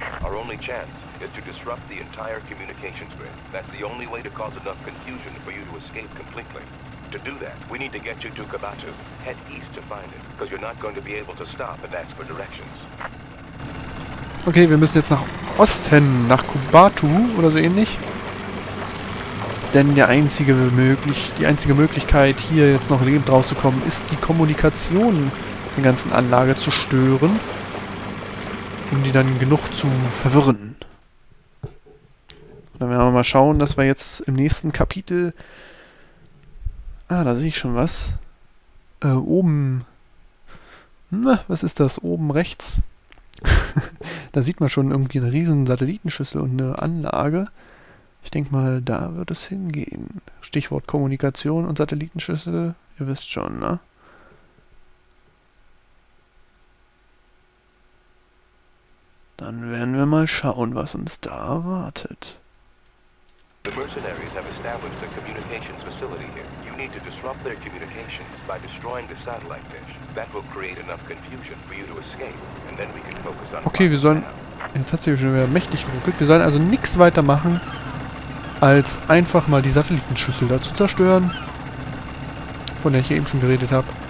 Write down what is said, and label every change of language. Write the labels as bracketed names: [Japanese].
[English] Our only chance is to disrupt the entire communications grid. That's the only way to cause enough confusion for you to escape completely. To do that, we need to get you to Kabatu. Head east to find it, because you're not going to be able to stop and ask for directions. [German] Okay, wir müssen jetzt nach Osten, nach Kubatu oder so ähnlich. Denn die einzige Möglichkeit, hier jetzt noch lebend rauszukommen, ist die Kommunikation der ganzen Anlage zu stören. Um die dann genug zu verwirren. Und dann werden wir mal schauen, dass wir jetzt im nächsten Kapitel... Ah, da sehe ich schon was. Oben... Na, was ist das? Oben rechts... Da sieht man schon irgendwie eine riesen Satellitenschüssel und eine Anlage. Ich denke mal, da wird es hingehen. Stichwort Kommunikation und Satellitenschüssel. Ihr wisst schon, ne? Dann werden wir mal schauen, was uns da erwartet. [English] The mercenaries have established a communications facility here. You need to disrupt their communications by destroying the satellite dish. That will create enough confusion for you to escape, and then we can focus on... [German] Okay, wir sollen... Jetzt hat sie schon wieder mächtig geruckelt. Wir sollen also nichts weiter machen, als einfach mal die Satellitenschüssel dazu zerstören, von der ich eben schon geredet habe.